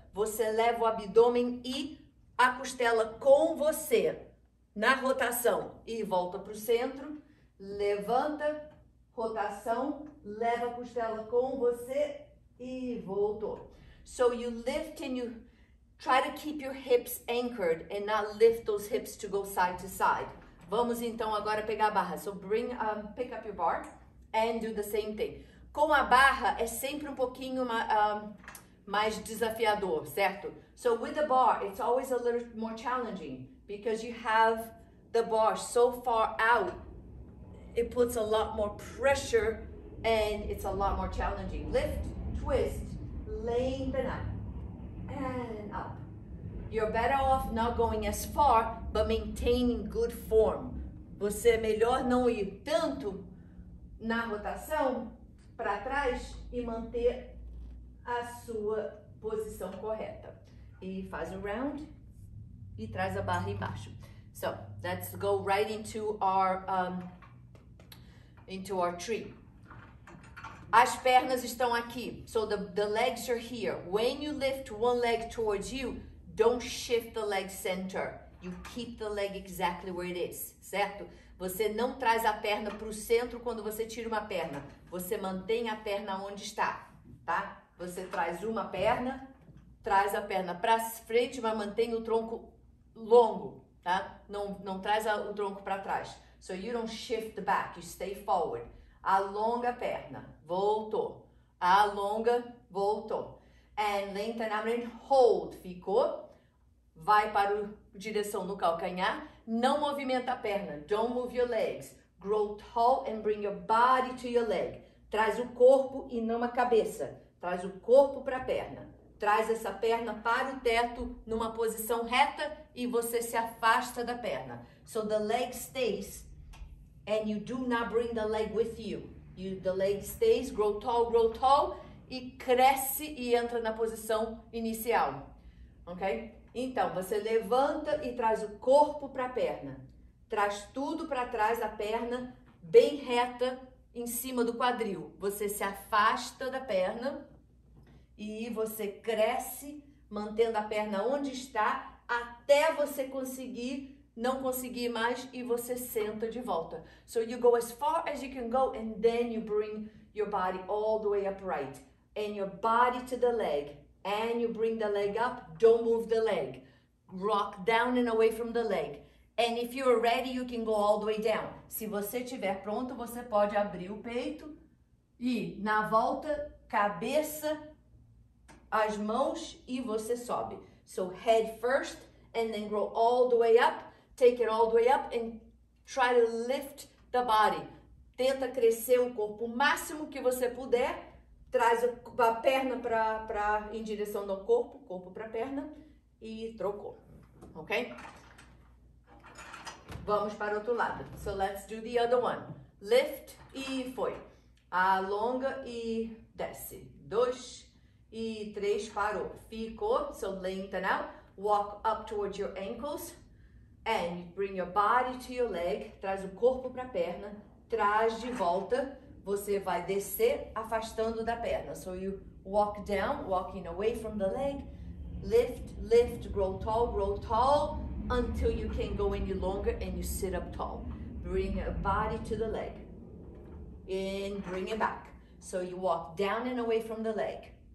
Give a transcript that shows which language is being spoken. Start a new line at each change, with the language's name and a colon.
Portuguese: Você leva o abdômen e a costela com você na rotação. E volta pro centro. Levanta, rotação, leva a costela com você e voltou.
English: So you lift and you try to keep your hips anchored and not lift those hips to go side to side.
Portuguese: Vamos então agora pegar a barra.
English: So bring, pick up your bar and do the same thing.
Portuguese: Com a barra é sempre um pouquinho mais desafiador, certo?
English: So with the bar, it's always a little more challenging because you have the bar so far out, it puts a lot more pressure and it's a lot more challenging. Lift, twist, lengthen up and up. You're better off not going as far, but maintaining good form.
Portuguese: Você é melhor não ir tanto na rotação para trás e manter a sua posição correta. E faz o round e traz a barra embaixo.
English: So, let's go right into our tree.
Portuguese: As pernas estão aqui.
English: So, the legs are here. When you lift one leg towards you, don't shift the leg center. You keep the leg exactly where it is, certo?
Portuguese: Você não traz a perna para o centro quando você tira uma perna. Você mantém a perna onde está, tá? Você traz uma perna, traz a perna para frente, mas mantém o tronco longo, tá? Não traz o tronco para trás.
English: So you don't shift the back, you stay forward.
Portuguese: Alonga a perna, voltou. Alonga, voltou.
English: And lengthen up and hold,
Portuguese: ficou? Vai para a direção do calcanhar. Não movimenta a perna.
English: Don't move your legs. Grow tall and bring your body to your leg.
Portuguese: Traz o corpo e não a cabeça. Traz o corpo para a perna. Traz essa perna para o teto numa posição reta e você se afasta da perna.
English: So the leg stays and you do not bring the leg with you. The leg stays, grow tall
Portuguese: e cresce e entra na posição inicial. Ok? Então, você levanta e traz o corpo para a perna. Traz tudo para trás da perna, bem reta, em cima do quadril. Você se afasta da perna e você cresce, mantendo a perna onde está, até você conseguir, não conseguir mais, e você senta de volta.
English: So you go as far as you can go, and then you bring your body all the way upright. And your body to the leg. And you bring the leg up, don't move the leg. Rock down and away from the leg. And if you're ready, you can go all the way down.
Portuguese: Se você estiver pronto, você pode abrir o peito e na volta, cabeça, as mãos e você sobe.
English: So head first and then grow all the way up. Take it all the way up and try to lift the body.
Portuguese: Tenta crescer o corpo o máximo que você puder. Traz a perna para em direção do corpo, corpo para perna e trocou, ok? Vamos para o outro lado.
English: So let's do the other one.
Portuguese: Lift e foi. Alonga e desce. Dois e três, parou.
English: Ficou, so lengthen out. Walk up towards your ankles and bring your body to your leg.
Portuguese: Traz o corpo para perna, traz de volta. Você vai descer afastando da perna.
English: So you walk down, walking away from the leg. Lift, lift, grow tall, until you can't go any longer and you sit up tall. Bring your body to the leg. And bring it back. So you walk down and away from the leg.